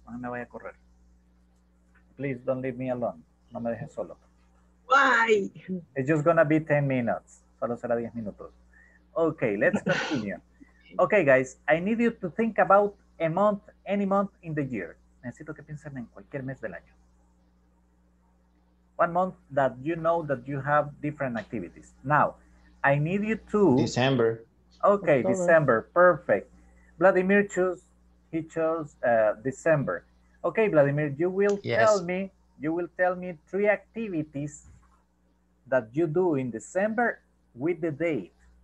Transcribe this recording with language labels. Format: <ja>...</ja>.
<es>No me vaya a correr.</es> <en>Please don't leave me alone.</en> <es>No me dejes solo.</es> <en>Why? It's just going to be 10 minutes.</en> <es>Solo será 10 minutos.</es> <en>Okay, let's continue. Okay, guys, I need you to think about a month, any month in the year.</en> <es>Necesito que piensen en cualquier mes del año.</es> <en>One month that you know that you have different activities. Now, I need you to... December. Okay, December. Perfect. Vladimir chose, he chose December. Okay, Vladimir, you will tell me three activities that you do in December with the date.</en>